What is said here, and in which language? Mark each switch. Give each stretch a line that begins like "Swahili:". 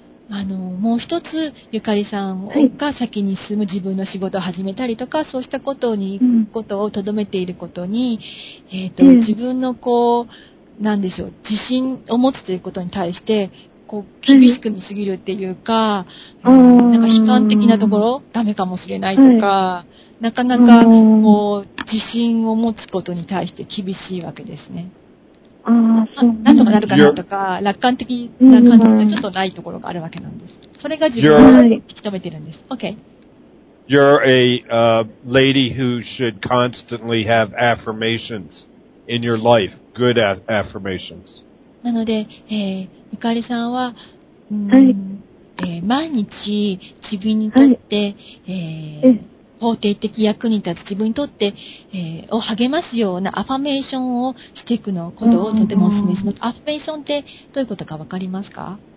Japanese: もう一つ、ゆかりさんが先に進む自分の仕事を始めたりとか、そうしたことに行くことをとどめていることに、自分のこう、なんでしょう、自信を持つということに対して、こう、厳しく見すぎるっていうか、なんか悲観的なところ、ダメかもしれないとか、なかなかこう自信を持つことに対して厳しいわけですね。なんとかなるかなとか、楽観的な感じがちょっとないところがあるわけなんです。それが自分を引き止めてるんです。
English: OK。 You're a lady who should constantly have affirmations in your life, good affirmations.
Japanese: なので、ゆかりさんは、毎日自分にとって、肯定的役に立つ自分にとって、を励ますようなアファメーションをしていくのことをとてもお勧めします。アファメーションってどういうことかわかりますか？